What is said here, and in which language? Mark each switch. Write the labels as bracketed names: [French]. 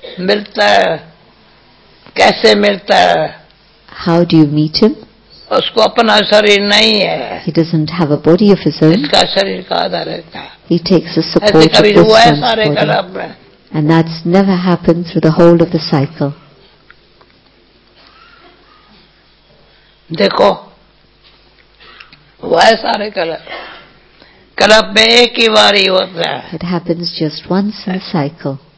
[Hindi] मिलता है. कैसे मिलता है? [English] How do you meet him? [Hindi] उसको अपना शरीर नहीं है. [English] He doesn't have a body of his own. [Hindi] इसका शरीर कहाँ रहता? [English] He takes the support of this one's body. And that's never happened through the whole of the cycle. [Hindi] देखो, वह सारे कलप में एक ही बार ही होता है. [English] It happens just once in a cycle.